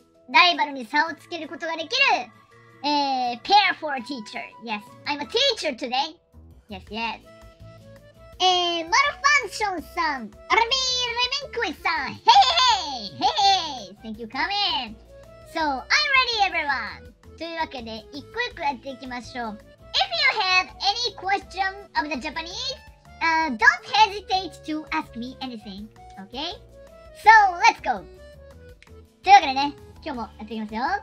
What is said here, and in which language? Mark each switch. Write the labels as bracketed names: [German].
[Japanese] ライバルに差をつけることができる、 [English] pair for a teacher. [Japanese] Yes. [English] I'm a teacher today. Yes, yes. マルファンションさん、アルビー・レミンクイさん、ヘイヘイヘイヘイ、Thank you coming! So, I'm ready everyone! [Japanese] というわけで、一個一個やっていきましょう。 [English] If you have any question of the Japanese, don't hesitate to ask me anything, okay? So, let's go! [Japanese] というわけでね、今日もやっていきますよ。